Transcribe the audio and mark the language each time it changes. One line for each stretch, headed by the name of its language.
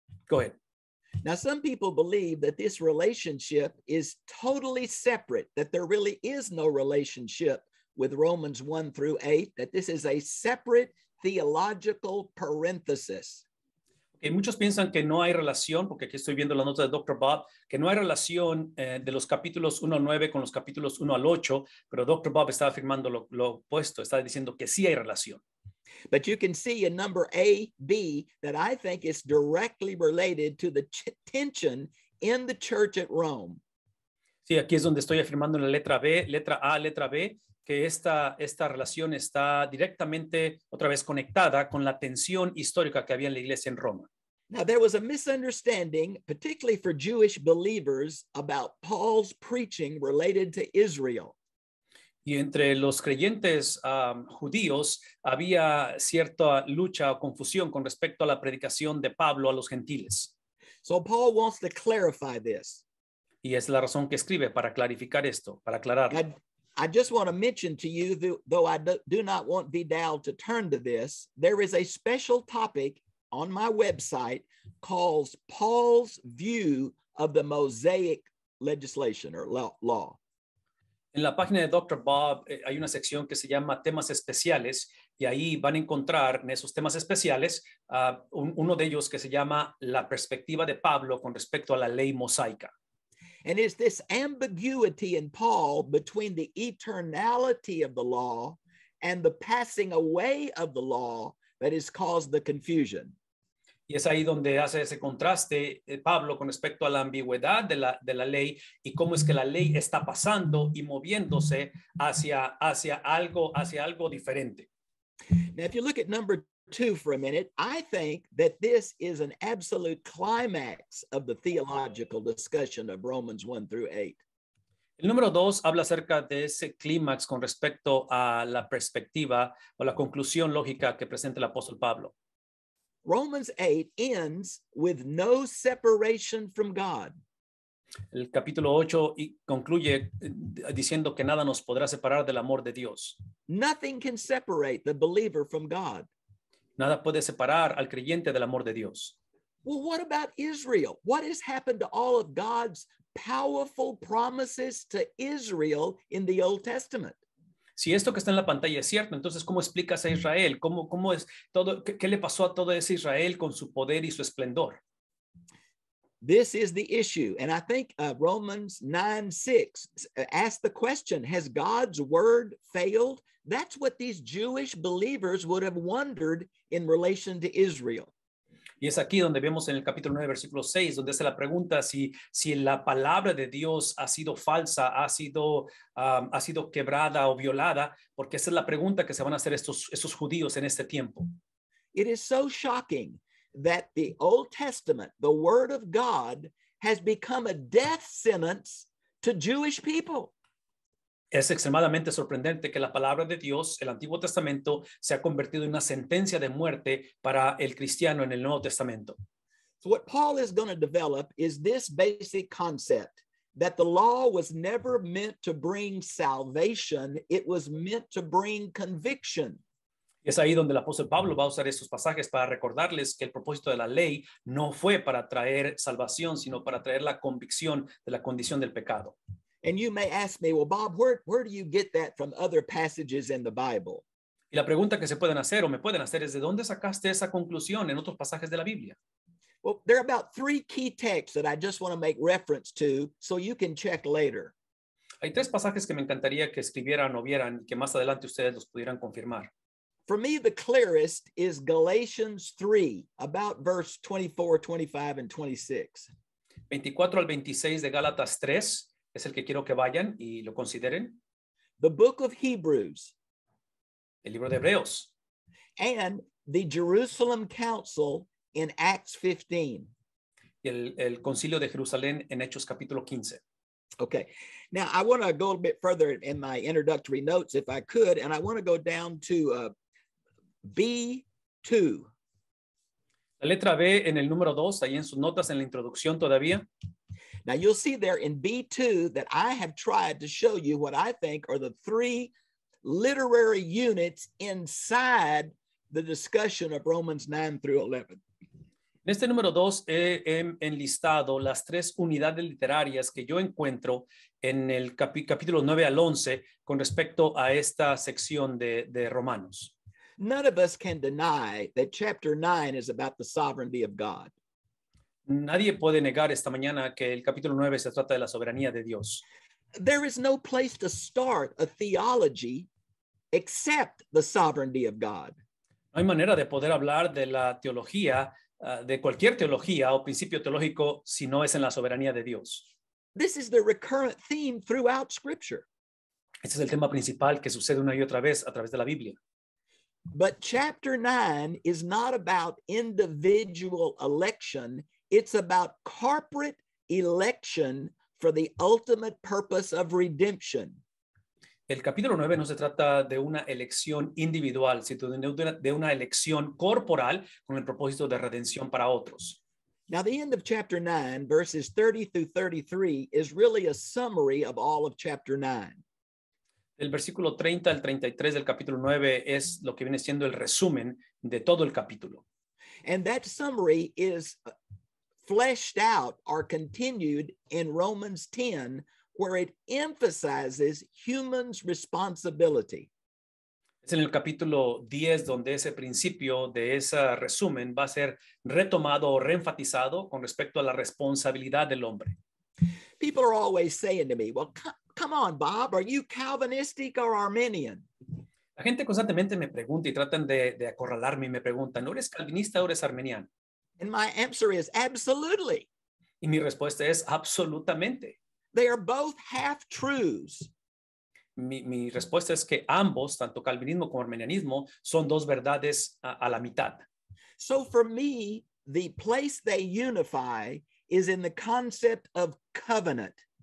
English: Go ahead. Now, some people believe that this relationship is totally separate, that there really is no relationship with Romans 1 through 8, that this is a separate theological parenthesis.
Spanish: Okay, muchos piensan que no hay relación, porque aquí estoy viendo la nota de Dr. Bob, que no hay relación de los capítulos 1 al 9 con los capítulos 1 al 8, pero Dr. Bob está afirmando lo opuesto, está diciendo que sí hay relación.
English: But you can see in number AB that I think is directly related to the tension in the church at Rome.
Spanish: Sí, aquí es donde estoy afirmando en la letra B, letra A, letra B, que esta relación está directamente otra vez conectada con la tensión histórica que había en la iglesia en Roma.
English: Now, there was a misunderstanding, particularly for Jewish believers, about Paul's preaching related to Israel.
Spanish: Y entre los creyentes judíos había cierta lucha o confusión con respecto a la predicación de Pablo a los gentiles.
English: So Paul wants to clarify this.
Spanish: Y es la razón que escribe para clarificar esto, para aclararlo.
English: I just want to mention to you, though I do not want Vidal to turn to this, there is a special topic on my website called Paul's View of the Mosaic Legislation or Law.
Spanish: En la página de Dr. Bob hay una sección que se llama Temas Especiales, y ahí van a encontrar en esos temas especiales uno de ellos que se llama La Perspectiva de Pablo con respecto a la Ley Mosaica.
English: And it's this ambiguity in Paul between the eternality of the law and the passing away of the law that has caused the confusion.
Spanish: Y es ahí donde hace ese contraste Pablo con respecto a la ambigüedad de la ley y cómo es que la ley está pasando y moviéndose hacia algo diferente.
English: Now, if you look at number 2 for a minute, I think that this is an absolute climax of the theological discussion of Romans 1 through 8.
Spanish: El número 2 habla acerca de ese clímax con respecto a la perspectiva o la conclusión lógica que presenta el apóstol Pablo.
English: Romans 8 ends with no separation from God.
Spanish: El capítulo 8 concluye diciendo que nada nos podrá separar del amor de Dios.
English: Nothing can separate the believer from God.
Spanish: Nada puede separar al creyente del amor de Dios.
English: Well, what about Israel? What has happened to all of God's powerful promises to Israel in the Old Testament?
Spanish: Si esto que está en la pantalla es cierto, entonces, ¿cómo explicas a Israel? ¿Cómo es todo? ¿Qué le pasó a todo ese Israel con su poder y su esplendor?
English: This is the issue. And I think Romans 9:6 asks the question, has God's word failed? That's what these Jewish believers would have wondered in relation to Israel.
Spanish: Y es aquí donde vemos en el capítulo 9, versículo 6, donde hace la pregunta si la palabra de Dios ha sido falsa, ha sido quebrada o violada, porque esa es la pregunta que se van a hacer estos judíos en este tiempo.
English: It is so shocking that the Old Testament, the Word of God, has become a death sentence to Jewish people.
Spanish: Es extremadamente sorprendente que la palabra de Dios, el Antiguo Testamento, se ha convertido en una sentencia de muerte para el cristiano en el Nuevo Testamento.
English: So what Paul is going to develop is this basic concept that the law was never meant to bring salvation, it was meant to bring conviction.
Spanish: Es ahí donde el apóstol Pablo va a usar estos pasajes para recordarles que el propósito de la ley no fue para traer salvación, sino para traer la convicción de la condición del pecado.
English: And you may ask me, well, Bob, where do you get that from other passages in the Bible?
Spanish: Y la pregunta que se pueden hacer o me pueden hacer es, ¿de dónde sacaste esa conclusión en otros pasajes de la Biblia?
English: Well, there are about 3 key texts that I just want to make reference to so you can check later.
Spanish: Hay 3 pasajes que me encantaría que escribieran o vieran y que más adelante ustedes los pudieran confirmar.
English: For me, the clearest is Galatians 3, about verse 24, 25, and 26.
Spanish: 24 al 26 de Gálatas 3. Es el que quiero que vayan y lo consideren.
English: The book of Hebrews.
Spanish: El libro de Hebreos.
English: And the Jerusalem Council in Acts 15.
Spanish: Y el Concilio de Jerusalén en Hechos capítulo 15.
English: Okay. Now, I want to go a bit further in my introductory notes, if I could, and I want to go down to B2.
Spanish: La letra B en el número 2, ahí en sus notas, en la introducción todavía.
English: Now you'll see there in B2 that I have tried to show you what I think are the three literary units inside the discussion of Romans 9 through 11.
Spanish: En este número 2 he enlistado las tres unidades literarias que yo encuentro en el capítulo 9 al 11 con respecto a esta sección de Romanos.
English: None of us can deny that chapter 9 is about the sovereignty of God.
Spanish: Nadie puede negar esta mañana que el capítulo 9 se trata de la soberanía de Dios.
English: There is no place to start a theology except the sovereignty of God.
Spanish: No hay manera de poder hablar de la teología, de cualquier teología o principio teológico, si no es en la soberanía de Dios.
English: This is the recurrent theme throughout Scripture.
Spanish: Este es el tema principal que sucede una y otra vez a través de la Biblia.
English: But chapter 9 is not about individual election. It's about corporate election for the ultimate purpose of redemption.
Spanish: El capítulo 9 no se trata de una elección individual, sino de una elección corporal con el propósito de redención para otros.
English: Now the end of chapter 9, verses 30 through 33, is really a summary of all of chapter 9.
Spanish: El versículo 30 al 33 del capítulo 9 es lo que viene siendo el resumen de todo el capítulo.
English: And that summary is fleshed out or continued in Romans 10, where it emphasizes humans' responsibility.
Spanish: Es en el capítulo 10 donde ese principio de ese resumen va a ser retomado o reenfatizado con respecto a la responsabilidad del hombre.
English: People are always saying to me, well, come on, Bob, are you Calvinistic or Arminian?
Spanish: La gente constantemente me pregunta y tratan de acorralarme y me preguntan, ¿no eres calvinista o eres arminiano?
English: And my answer is absolutely.
Spanish: Y mi respuesta es absolutamente.
English: They are both half truths.
Spanish: Mi respuesta es que ambos, tanto calvinismo como arminianismo, son dos verdades a la mitad.
English: So for me, the place they unify is in the concept of covenant.